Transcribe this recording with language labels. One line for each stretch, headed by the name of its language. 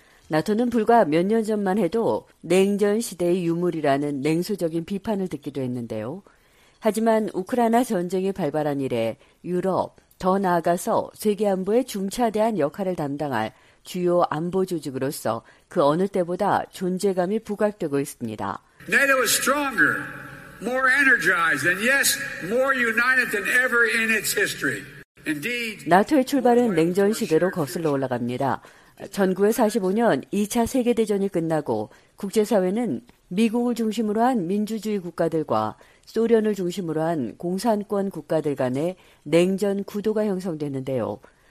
Korean: 나토는 불과 몇 년 전만 해도 냉전 시대의 유물이라는 냉소적인 비판을 듣기도 했는데요. 하지만 우크라이나 전쟁이 발발한 이래 유럽, 더 나아가서 세계 안보의 중차대한 역할을 담당할 주요 안보 조직으로서 그 어느 때보다 존재감이 부각되고 있습니다.
English: NATO is stronger, more energized, and yes, more united than ever in its history. Indeed,
Korean: 나토의 출발은 냉전 시대로 거슬러 올라갑니다. 1945년 2차 세계대전이 끝나고 국제사회는 미국을 중심으로 한 민주주의 국가들과 소련을 중심으로 한 공산권 국가들 간의 냉전 구도가 형성되는데요.